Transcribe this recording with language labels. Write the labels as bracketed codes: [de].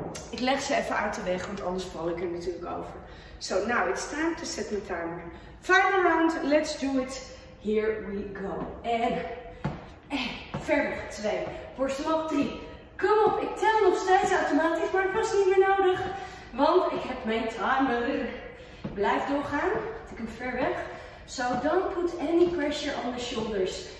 [nl] Ik leg ze even uit de weg, want anders val ik er natuurlijk over. [en] So now it's time to set my timer. Final round, let's do it. Here we go. [nl] En verder, 2. Borst omhoog, 3. Kom op, ik tel nog steeds automatisch, maar het was niet meer nodig. Want ik heb mijn timer. Blijf doorgaan, ik heb hem ver weg. [en] So don't put any pressure on the shoulders.